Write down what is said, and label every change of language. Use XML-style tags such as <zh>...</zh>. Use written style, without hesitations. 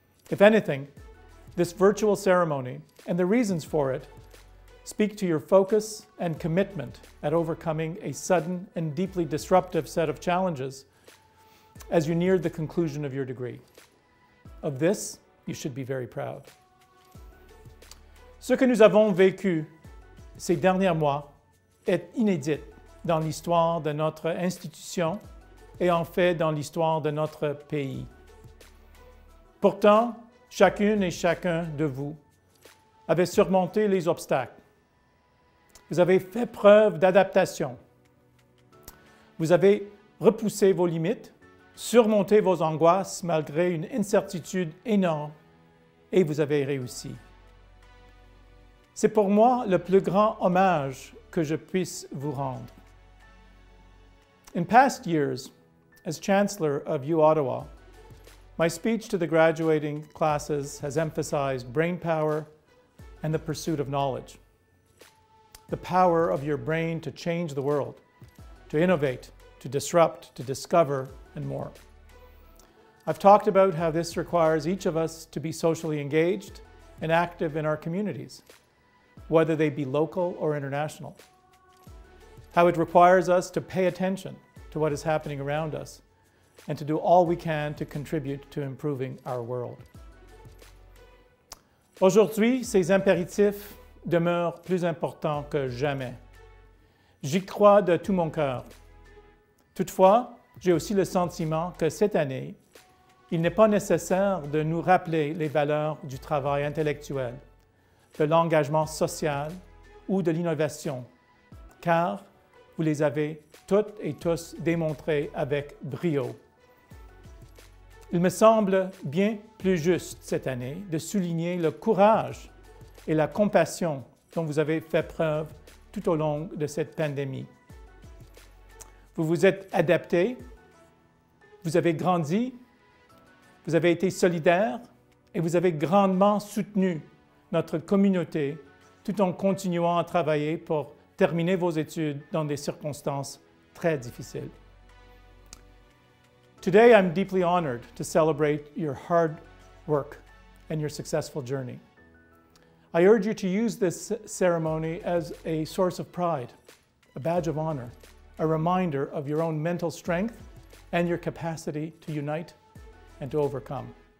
<en>If anything, this virtual ceremony and the reasons for it speak to your focus and commitment at overcoming a sudden and deeply disruptive set of challenges as you neared the conclusion of your degree. Of this, you should be very proud.</en> <fr>Ce que nous avons vécu ces derniers mois est inédit dans l'histoire de notre institution et en fait dans l'histoire de notre pays. Pourtant, chacune et chacun de vous avez surmonté les obstacles. Vous avez fait preuve d'adaptation. Vous avez repoussé vos limites, surmonté vos angoisses malgré une incertitude énorme et vous avez réussi. C'est pour moi le plus grand hommage que je puisse vous rendre.</fr> <en>In past years, as Chancellor of uOttawa, my speech to the graduating classes has emphasized brain power and the pursuit of knowledge. The power of your brain to change the world, to innovate, to disrupt, to discover, and more. I've talked about how this requires each of us to be socially engaged and active in our communities, whether they be local or international. How it requires us to pay attention to what is happening around us, and to do all we can to contribute to improving our world.</en> <fr>Aujourd'hui, ces impératifs demeurent plus importants que jamais. J'y crois de tout mon cœur. Toutefois, j'ai aussi le sentiment que cette année, il n'est pas nécessaire de nous rappeler les valeurs du travail intellectuel, de l'engagement social ou de l'innovation, car vous les avez toutes et tous démontrés avec brio. Il me semble bien plus juste cette année de souligner le courage et la compassion dont vous avez fait preuve tout au long de cette pandémie. Vous vous êtes adapté, vous avez grandi, vous avez été solidaire et vous avez grandement soutenu notre communauté tout en continuant à travailler pour terminer vos études dans des circonstances très difficiles.</fr> <en>Today, I'm deeply honored to celebrate your hard work and your successful journey. I urge you to use this ceremony as a source of pride, a badge of honor, a reminder of your own mental strength and your capacity to unite and to overcome.</en>